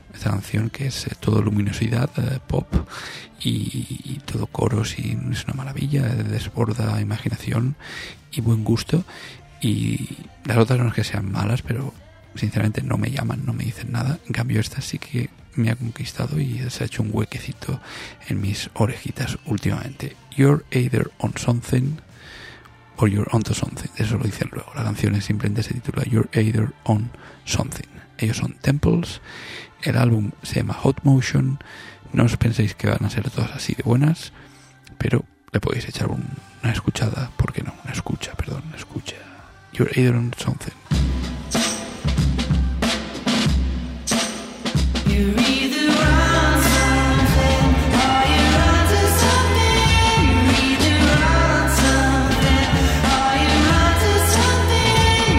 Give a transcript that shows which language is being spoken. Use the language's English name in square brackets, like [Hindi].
[Spanish] Esta canción que es todo luminosidad, pop, y todo coros, y es una maravilla, desborda imaginación y buen gusto. Y las otras no es que sean malas, pero sinceramente no me llaman, no me dicen nada. En cambio esta sí que me ha conquistado y se ha hecho un huequecito en mis orejitas últimamente. [English] You're either on something or you're onto something. [Spanish] Eso lo dicen luego. La canción es simplemente, se titula You're either on something. Ellos son Temples. El álbum se llama Hot Motion. No os penséis que van a ser todas así de buenas, pero le podéis echar una escuchada. ¿Por qué no? Una escucha. [English] You're either on something. You're either on something or you're onto something. You're either on something or you're onto something.